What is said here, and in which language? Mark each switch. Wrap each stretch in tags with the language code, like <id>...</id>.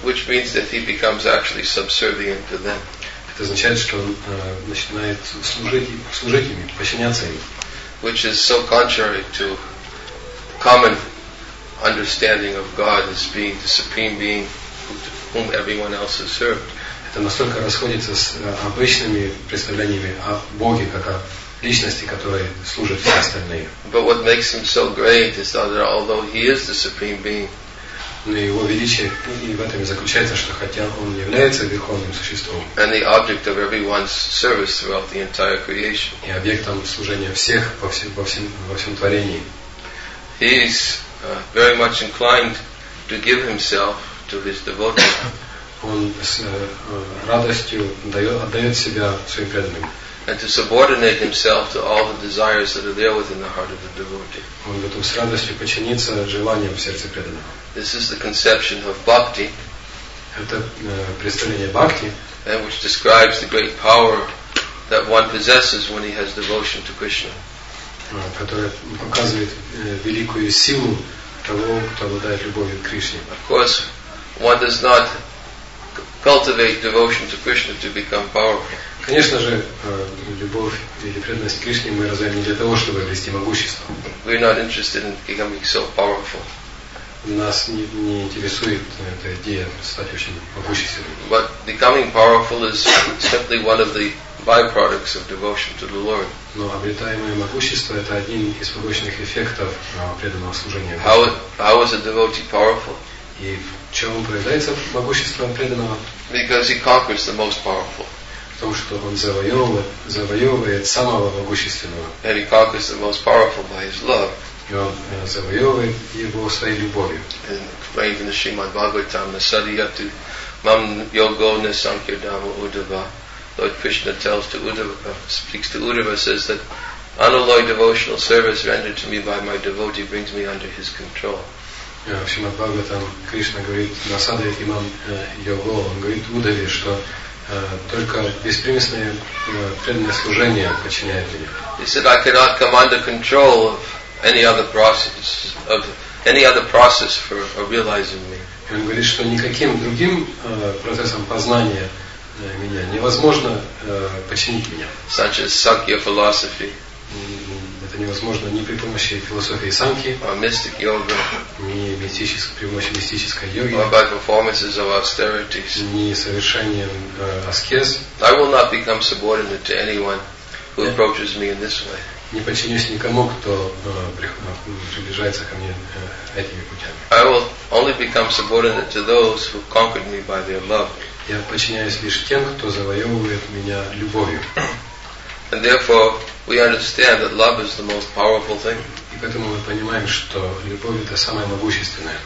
<en>Which means that he becomes actually subservient to them.</en> <ru>Это означает, что он начинает служить им, подчиняться им.</ru> <en>Which is so contrary to common understanding of God as being the supreme being whom everyone else has served.</en> <ru>Это настолько расходится с обычными представлениями о Боге, как о личности, которой служат все остальные.</ru> <en>But what makes him so great is that although he is the supreme being,</en> <ru>но его величие и в этом заключается, что хотя он является верховным существом,</ru> <en>and the object of everyone's service throughout the entire creation,</en> <ru>и объектом служения всех во всем творении,</ru> <en>he is very much inclined to give himself to his devotees.</en> <ru>Он с радостью отдает себя своим преданным.</ru> <en>and to subordinate himself to all the desires that are there within the heart of the devotee.</en> <ru>Он готов с радостью подчиниться желаниям в сердце преданного.</ru> <en>This is the conception of bhakti.</en> <ru>Это представление бхакти,</ru> <en>which describes the great power that one possesses when he has devotion to Krishna.</en> <ru>Которое показывает великую силу того, кто обладает любовью к Кришне.</ru> <en>Of course, one does not cultivate devotion to Krishna to become powerful.</en> <ru>Конечно же, любовь или преданность к Кришне мы развиваем не для того, чтобы обрести могущество.</ru> <en>We are not interested in becoming so powerful.</en> <ru>Нас не интересует эта идея стать очень могущественным.</ru> <en>But becoming powerful is simply one of the byproducts of devotion to the Lord.</en> <ru>Но обретаемое могущество это один из побочных эффектов преданного служения.</ru> <en>How is a devotee powerful?</en> <ru>И в чем проявляется могущество преданного?</ru> <en>Because he conquers the most powerful.</en> <ru>Потому что он завоевывает самого могущественного.</ru> <en>And he conquers the most powerful by his love.</en> <ru>И он завоевывает его своей любовью.</ru> <en>And explained in the Srimad Bhagavatam,</en> <sa>Nasadiyatu Mam Yogo Nasankirdama Uddhava.</sa> <en>Lord Krishna tells to Uddhava, speaks to Uddhava, says that unalloyed devotional service rendered to me by my devotee brings me under his control.</en> <ru>В Шримад Бхагаватам Кришна говорит</ru> <sa>Насаде имам Його,</sa> <ru>он говорит Удаве, что только беспримесное преданное служение подчиняет мне.</ru> <en>He said, I cannot come under control of any other process for realizing me.</en> <ru>Он говорит, что никаким другим процессом познания меня невозможно подчинить меня.</ru> <en>Such as Sankhya philosophy.</en> <ru>Это невозможно ни при помощи философии Санки,</ru> <en>mystic yoga,</en> <ru>при помощи мистической йоги,</ru> <en>or by performances of austerities.</en> <ru>Ни совершением аскез.</ru> <en>I will not become subordinate to anyone who approaches me in this way.</en> <ru>Не подчинюсь никому, кто приближается ко мне этими путями.</ru> <en>I will only become subordinate to those who conquered me by their love.</en> <ru>Я подчиняюсь лишь тем, кто завоевывает меня любовью.</ru> <en>And therefore, we understand that love is the most powerful thing.</en> <ru>И поэтому мы понимаем, что любовь это самое могущественное.</ru>